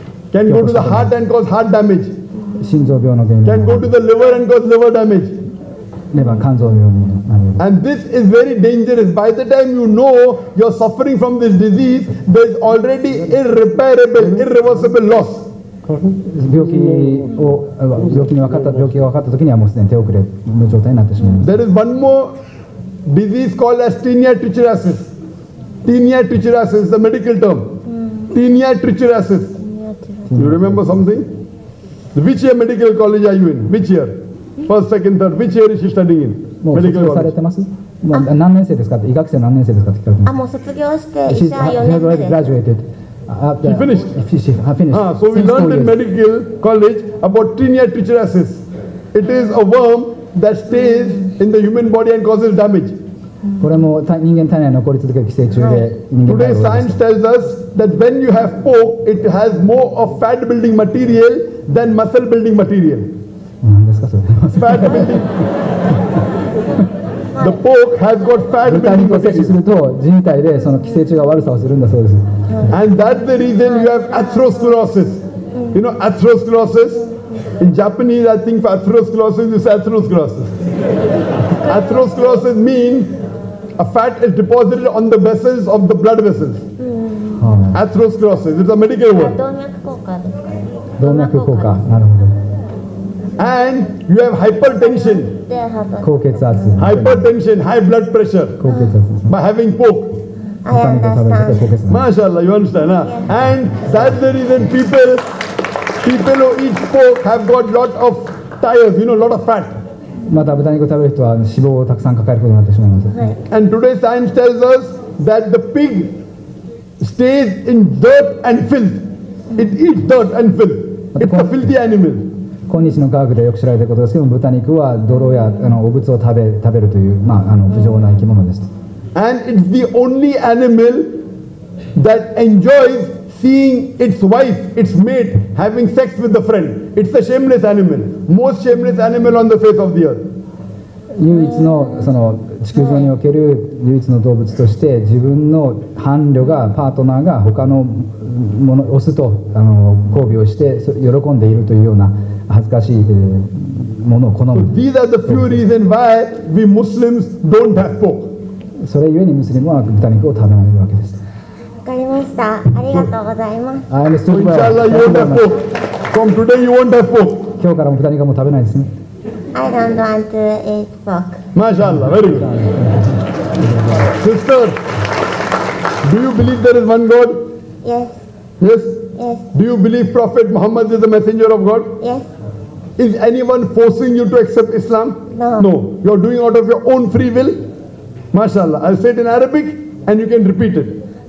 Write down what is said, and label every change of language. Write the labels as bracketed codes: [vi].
[en] Can go to the heart and cause heart damage. Can go to the liver and cause liver damage. And this is very dangerous. By the time you know you're suffering from this disease, there's already irreparable, irreversible loss. [ja] 病気が分かった時にはもうすでに手遅れの状態になってしまいます。 [en] There is one more disease called as tinea trichuriasis. Tinea trichuriasis is the medical term. Tinea trichuriasis. You remember something? Which year medical college are you in? Which year? First, second, third. Which year is she studying in? [ja] もう卒業されてます？もう何年生ですか？医学生何年生ですか？って聞かれてます。あ、もう卒業して医者4年目です。 [en] Graduated. She finished. She finished. Ah, so we learned in medical college about tinea trichuriasis. It is a worm that stays in the human body and causes damage. [ja] これも人間体内に残り続ける寄生虫で。 [en] Today, science tells us that when you have pork, it has more of fat building material than muscle building material. Fat building. The pork has got fat building. [ja] 豚肉を摂取すると人体でその寄生虫が悪さをするんだそうです。 [en] And that's the reason you have atherosclerosis. You know atherosclerosis? In Japanese, I think for atherosclerosis is atherosclerosis. Atherosclerosis means a fat is deposited on the vessels of the blood vessels. Atherosclerosis. It's a medical word. [ja] 動脈硬化ですか。動脈硬化。なるほど。 [en] And you have hypertension, [ja] 高血圧 [en] hypertension, high blood pressure, [ja] 高血圧 [en] by having pork. I understand. MashaAllah, you understand, huh? Yes. And that's the reason people who eat pork have got lot of tires, you know, lot of fat. [ja] また豚肉を食べる人は脂肪をたくさん抱えることになってしまいます。 [en] And today science tells us that the pig stays in dirt and filth. It eats dirt and filth. It's a filthy animal. [ja] 今日の科学でよく知られていることですけども、豚肉は泥や汚物を食べるという、まあ、不浄な生き物です。 [en] And it's the only animal that enjoys seeing its wife, its mate, having sex with the friend. It's a shameless animal, most shameless animal on the face of the earth. [ja] 唯一の、その地球上における唯一の動物として、自分の伴侶が、パートナーが他のもの、オスと交尾をして喜んでいるというような、恥ずかしいものを好む。 [en] These are the few reasons why we Muslims don't have pork. [ja] それゆえにムスリムは豚肉を食べられるわけです。わかりました。ありがとうございます。 [en] So inshallah you won't have pork. From today you won't have pork. [ja] 今日からも豚肉も食べないですね。 [en] I don't want to eat pork. MashaAllah, very good. Sister, do you believe there is one God? Yes. Yes? Yes. Do you believe Prophet Muhammad is the messenger of God? Yes. Is anyone forcing you to accept Islam? No. No. You're doing out of your own free will? MashaAllah. I'll say it in Arabic and you can repeat it.